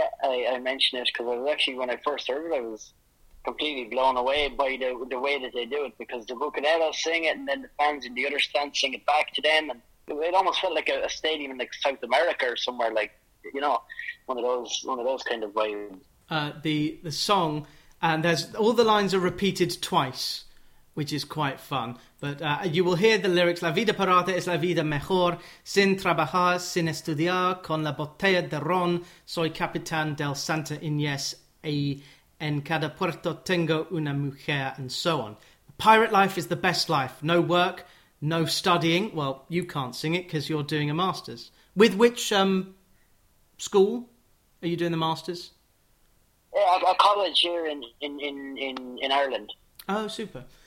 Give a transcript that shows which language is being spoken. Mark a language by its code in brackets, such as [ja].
[en] I mention it because actually when I first heard it, I was completely blown away by the way that they do it, because the Bucaneros sing it and then the fans in the other stands sing it back to them. And it almost felt like a stadium in like South America or somewhere, like, you know, one of those kind of vibes. The song, and there's all the lines are repeated twice, which is quite fun. [es] But you will hear the lyrics, La vida parada es la vida mejor, sin trabajar, sin estudiar, con la botella de ron, soy capitán del Santa Inés, y en cada puerto tengo una mujer, and so on. [en] Pirate life is the best life. No work, no studying. Well, you can't sing it because you're doing a master's. With which school are you doing the master's? A college here in Ireland. Oh, super.